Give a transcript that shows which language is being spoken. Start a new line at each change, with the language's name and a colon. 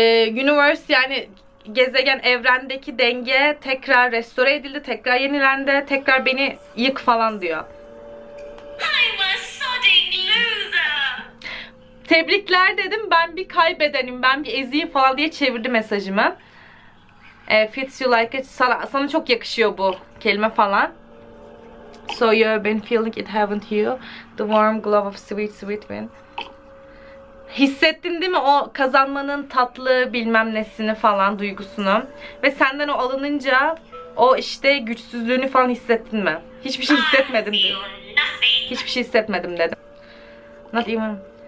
Turkish: Universe yani gezegen evrendeki denge tekrar restore edildi, tekrar yenilendi, tekrar beni yık falan diyor. Tebrikler dedim, ben bir kaybedenim, ben bir eziyim falan diye çevirdi mesajımı.
English: Fits you like it,
Turkish: sana çok yakışıyor bu kelime falan.
English: So you've been feeling it, haven't you? The warm glow of sweet sweet wind.
Turkish: Hissettin değil mi o kazanmanın tatlı bilmem nesini falan duygusunu? Ve senden o alınınca o işte güçsüzlüğünü falan hissettin mi? Hiçbir şey hissetmedim dedim. Hiçbir şey hissetmedim dedim.
English: Not even.